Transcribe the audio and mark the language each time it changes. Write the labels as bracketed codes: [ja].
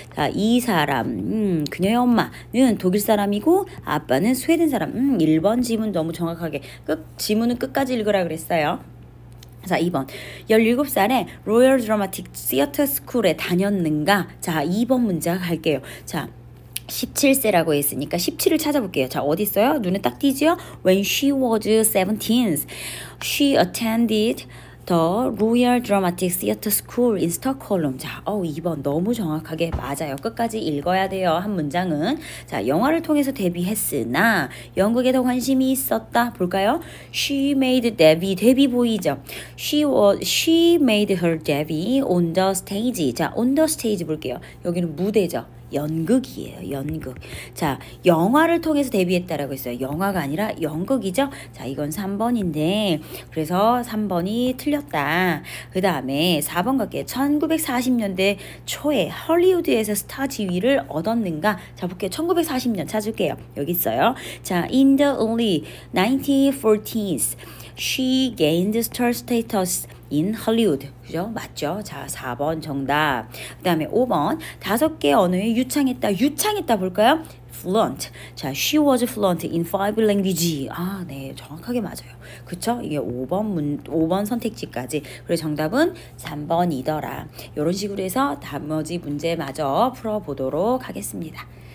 [ko] 자, 이 사람 그녀의 엄마는 독일 사람이고 아빠는 스웨덴 사람. 1번 지문 너무 정확하게 지문은 끝까지 읽으라 그랬어요. 자, 2번. 17살에 로열 드라마틱 시어터 스쿨에 다녔는가? 자, 2번 문제 갈게요. 자, 17세라고 했으니까 17을 찾아볼게요. 자, 어디 있어요? 눈에 딱 띄죠? [en] When she was 17, she attended the Royal Dramatic Theatre School in Stockholm. [ko] 자, 2번 너무 정확하게 맞아요. 끝까지 읽어야 돼요. 한 문장은. 자, 영화를 통해서 데뷔했으나 영국에 더 관심이 있었다. 볼까요? [en] She made debut. [ko] 데뷔 보이죠? [en] She made her debut on the stage. [ko] 자, [en] on the stage [ko] 볼게요. 여기는 무대죠. 연극이에요. 연극. 자, 영화를 통해서 데뷔했다라고 했어요. 영화가 아니라 연극이죠. 자, 이건 3번인데 그래서 3번이 틀렸다. 그 다음에 4번 갈게요. 1940년대 초에 할리우드에서 스타 지위를 얻었는가? 자, 볼게요. 1940년 찾을게요. 여기 있어요. [en] 자, In the early 1940s she gained star status in Hollywood. [ko] 그죠? 맞죠? 자, 4번 정답. 그 다음에 5번. 다섯 개 언어에 유창했다. 유창했다 볼까요? Fluent. [en] 자, she was fluent in 5 languages. [ko] 아, 네. 정확하게 맞아요. 그쵸? 이게 5번 선택지까지. 그리고 정답은 3번이더라. 이런 식으로 해서 나머지 문제마저 풀어보도록 하겠습니다.